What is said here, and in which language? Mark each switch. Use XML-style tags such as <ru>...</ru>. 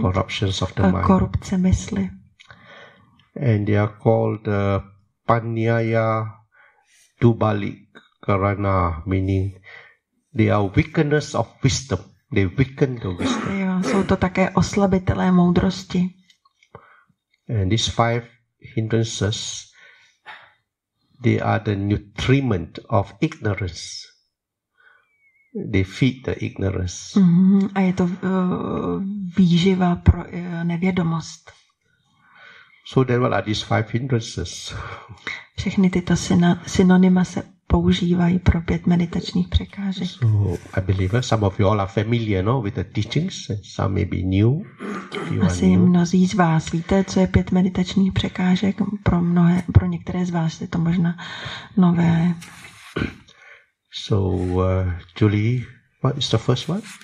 <en>Corruptions of the mind.</en> <cs>Korupce mysli.</cs> <en>And they are called panyaya dubalikarana, meaning they are weakness of wisdom. They weaken the wisdom.</en> <cs>Jo, jsou to také oslabitelé moudrosti.</cs> <en>And these five hindrances, they are the nutriment of ignorance. They feed the ignorance. Mm-hmm.</en> <cs>A je to výživa pro nevědomost.</cs> <en>So then what are these five hindrances?</en> <cs>Všechny tyto synonyma se používají pro pět meditačních překážek.</cs> <en>So I believe some of you all are familiar, no, with the teachings. Some may be new.</en> <cs>Asi mnozí z vás víte, co je pět meditačních překážek. Pro mnohé, pro některé z vás je to možná nové.</cs> <en>So, Julie, what is the first one?</en>